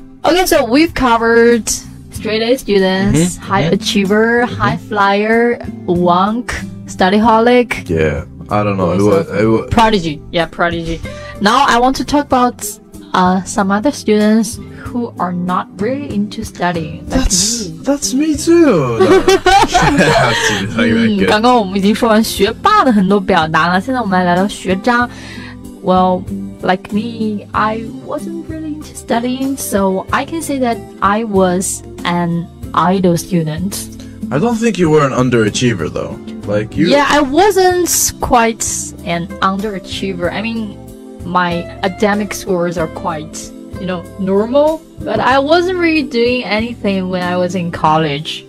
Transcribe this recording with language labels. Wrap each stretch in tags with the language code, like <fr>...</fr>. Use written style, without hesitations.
<en>Okay, so we've coveredstraight A students, mm-hmm, high mm-hmm. achiever, mm-hmm. high flyer, wonk, studyholic. Yeah, I don't know. It was prodigy. Yeah, prodigy. Now I want to talk about、some other students who are not really into studying. That's me too.</en> <zh>Yeah, 刚刚我们已经说完学霸的很多表达了，现在我们来聊聊学渣。</zh> <en>Well, like me, I wasn't really into studying, so I can say that I was... an idol student. I don't think you were an underachiever though. Like you. Yeah, I wasn't quite an underachiever. I mean, my academic scores are quite, you know, normal, but I wasn't really doing anything when I was in college.</en>